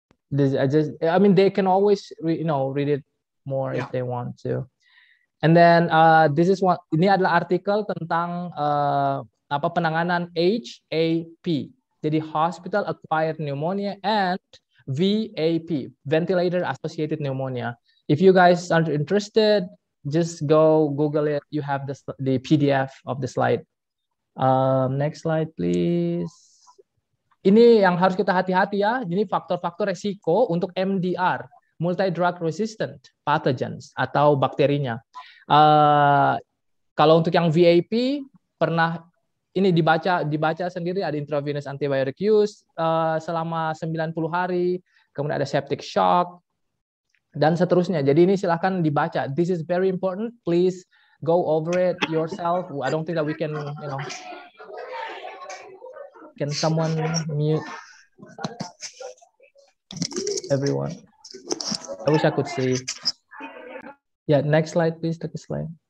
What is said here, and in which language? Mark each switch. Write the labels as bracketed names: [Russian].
[English] They can always read it more, yeah, if they want to. And then this is one, [Indonesian] ini adalah artikel tentang penanganan HAP. Jadi [English] hospital acquired pneumonia and VAP, ventilator associated pneumonia. If you guys aren't interested, just go Google it. You have the PDF of the slide. Next slide, please. [Indonesian] Ini yang harus kita hati-hati ya. Ini faktor-faktor resiko untuk MDR, multi-drug resistant pathogens atau bakterinya. Kalau untuk yang VAP, pernah ini dibaca sendiri, ada intravenous antibiotic use selama 90 hari, kemudian ada septic shock, dan seterusnya. Jadi ini silahkan dibaca. [English] This is very important. Please go over it yourself. I don't think that we can, you know. Can someone mute everyone? I wish I could see. Yeah, next slide, please. Take a slide.